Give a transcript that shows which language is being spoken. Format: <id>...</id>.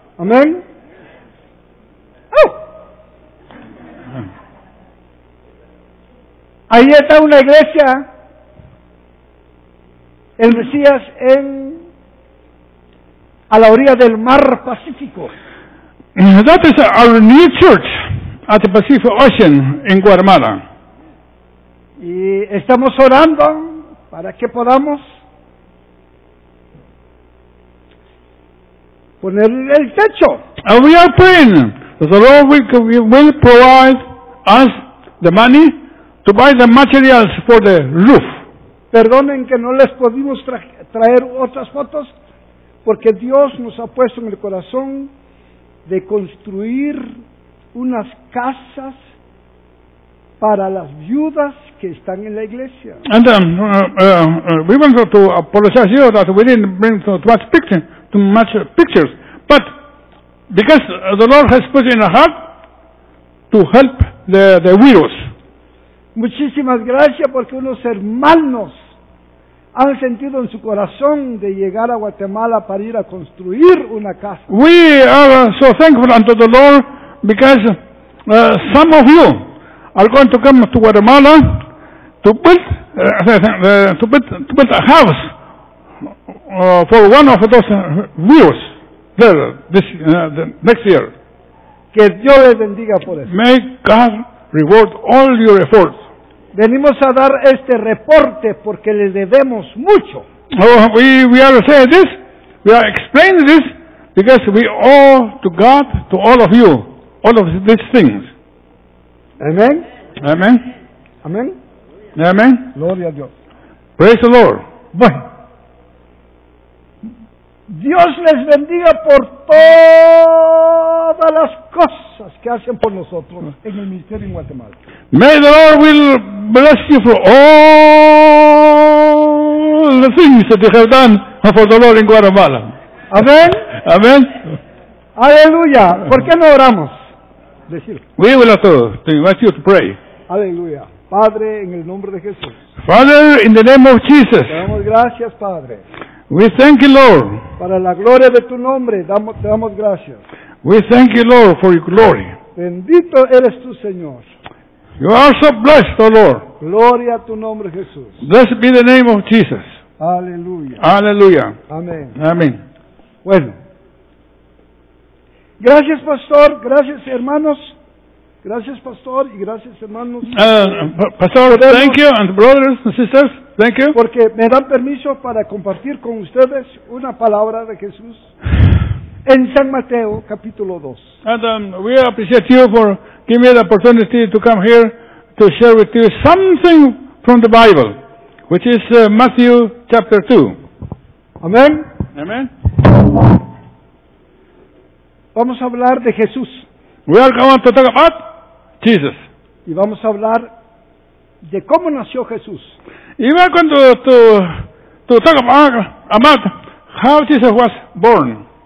<es>Amen. Ahí está una iglesia. El Mesías en a la orilla del mar Pacífico.</es> <en>That is our new church at the Pacific Ocean in Guatemala.</en> <es>Y estamos orando para que podamos poner el techo.</es> <en>And we are praying that the Lord will provide us the money to buy the materials for the roof.</en> <es>Perdonen que no les pudimos traer otras fotos, porque Dios nos ha puesto en el corazón de construir unas casas para las viudas que están en la iglesia.</es> <en>And we want to apologize here that we didn't bring too much pictures, but because the Lord has put in a heart to help the widows.</en> <es>Muchísimas gracias porque unos hermanos han sentido en su corazón de llegar a Guatemala para ir a construir una casa.</es> <en>We are so thankful unto the Lord because some of you are going to come to Guatemala to build a house for one of those views there the next year.</en> <es>Que Dios les bendiga por eso.</es> <en>May God reward all your efforts.</en> <es>Venimos a dar este reporte porque le debemos mucho.</es> <en>Oh, we are saying this, we are explaining this, because we owe to God, to all of you, all of these things. Amen. Amen. Amen. Amen.</en> <es>Gloria a Dios.</es> <en>Praise the Lord.</en> <es>Bueno. Dios les bendiga por todas las cosas que hacen por nosotros en el ministerio en Guatemala.</es> <en>May the Lord will bless you for all the things that you have done for the Lord in Guatemala. Amen. Amen.</en> <es>Aleluya. ¿Por qué no oramos? Decir.</es> <en>We will have to invite you to pray.</en> <es>Aleluya. Padre, en el nombre de Jesús.</es> <en>Father, in the name of Jesus.</en> <es>Te damos gracias, Padre.</es> <en>We thank you, Lord.</en> <es>Para la gloria de tu nombre, te damos gracias.</es> <en>We thank you, Lord, for your glory.</en> <es>Bendito eres tú, Señor.</es> <en>You are so blessed, O Lord.</en> <es>Gloria a tu nombre, Jesús.</es> <en>Blessed be the name of Jesus.</en> <es>Aleluya. Aleluya. Amén. Amén. Bueno. Gracias, pastor. Gracias, hermanos. Gracias, pastor, y gracias, hermanos.</es> <en>Pastor, thank you, and brothers and sisters, thank you.</en> <es>Porque me dan permiso para compartir con ustedes una palabra de Jesús en San Mateo, capítulo 2.</es> <en>And we appreciate you for giving me the opportunity to come here to share with you something from the Bible, which is Matthew chapter 2. Amen. Amen.</en> <es>Vamos a hablar de Jesús.</es> <en>We are going to talk about Jesus.</en> <es>Y vamos a hablar de cómo nació Jesús.</es> <en>Y we are going to talk about how Jesus was born.</en>